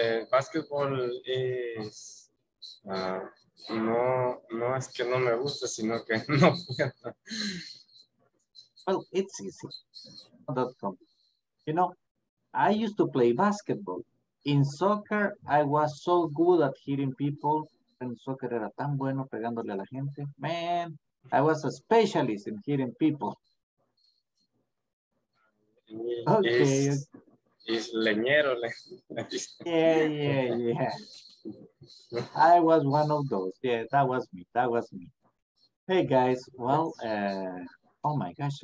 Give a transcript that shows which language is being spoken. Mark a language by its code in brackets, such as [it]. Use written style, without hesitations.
[en] Basketball is [es] no es que no me gusta, sino que no. [en] Well, it's easy. .com. You know, I used to play basketball. In soccer, I was so good at hitting people. [es] En soccer era tan bueno pegándole a la gente. [en] Man, I was a specialist in hitting people. Okay. Is leñero. Yeah. I was one of those. Yeah, that was me. Hey, guys. Well, oh, my gosh.